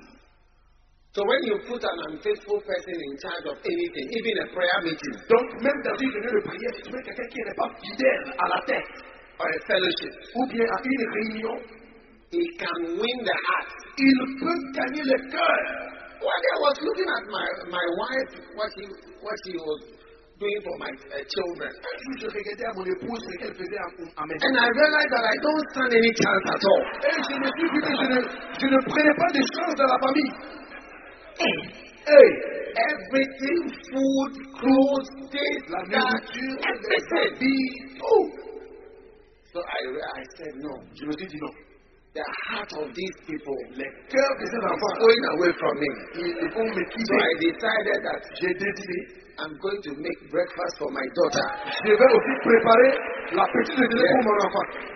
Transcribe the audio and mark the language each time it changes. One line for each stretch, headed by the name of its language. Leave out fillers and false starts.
English: Funeral. So when you put an unfaithful person in charge of anything, even a prayer meeting,
French: donc même dans une réunion de prière, si tu mets quelqu'un qui n'est pas fidèle à la tête,
English: or a fellowship,
French: ou bien à une réunion,
English: he can win the heart.
French: Il peut gagner le cœur.
English: One day I was looking at my wife, what she was doing for my children.
French: Je regardais à mon épouse ce qu'elle faisait à mes enfants.
English: And I realized that I don't stand any chance at all.
French: Et je me suis dit que je ne prenais pas de chance dans la famille.
English: Hey, everything, food, clothes, this,
French: la nourriture,
English: everything. So I said no.
French: Je me suis dit non.
English: The heart of these people,
French: le cœur de ces enfants,
English: going away from me.
French: Ils vont me quitter.
English: So I decided that
French: j'ai décidé.
English: I'm going to make breakfast for my daughter.
French: Je vais aussi préparer la petite déjeuner pour mon enfant.